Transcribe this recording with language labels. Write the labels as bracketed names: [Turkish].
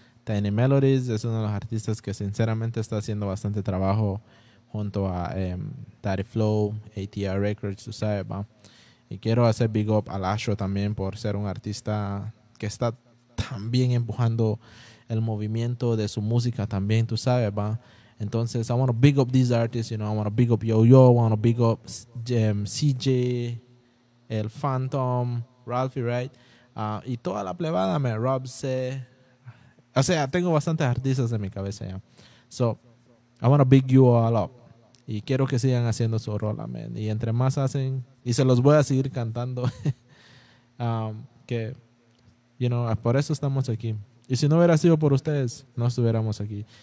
[Spanish] Tiny Melodies es uno de los artistas que sinceramente está haciendo bastante trabajo junto a Daddy Flow, ATR Records, tú sabes, ¿va? Y quiero hacer big up a Lasho también por ser un artista que está también empujando el movimiento de su música también, tú sabes, ¿va? [English] Entonces, I want to big up these artists, you know. I want to big up Yo-Yo, I want to big up CJ, El Phantom, Ralphie, right? [Spanish] Y toda la plebada, man, Rob C. O sea, tengo bastantes artistas en mi cabeza ya. [English] So, I want to big you all up. [Spanish] Y quiero que sigan haciendo su rola, man. Y entre más hacen, y se los voy a seguir cantando. que, you know, por eso estamos aquí. Y si no hubiera sido por ustedes, no estuviéramos aquí.